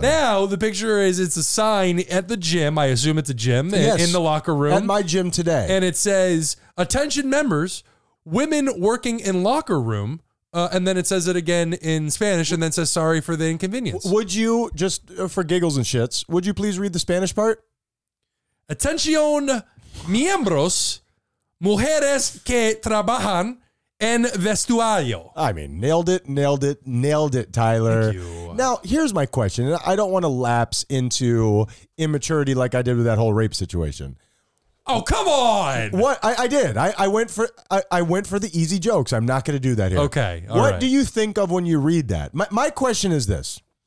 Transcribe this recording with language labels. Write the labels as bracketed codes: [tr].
[en] Now, the picture is it's a sign at the gym. I assume it's a gym in the locker room. At my gym today. And it says, attention members, women working in locker room. And then it says it again in Spanish and then says, sorry for the inconvenience. Would you, just for giggles and shits, would you please read the Spanish part? [es] Atención, miembros, mujeres que trabajan en vestuario. [en] I mean, nailed it, Tyler. Thank you. Now, here's my question. I don't want to lapse into immaturity like I did with that whole rape situation. Oh, come on. What? I did. I went for the easy jokes. I'm not going to do that here. Okay. What do you think of when you read that? My question is this.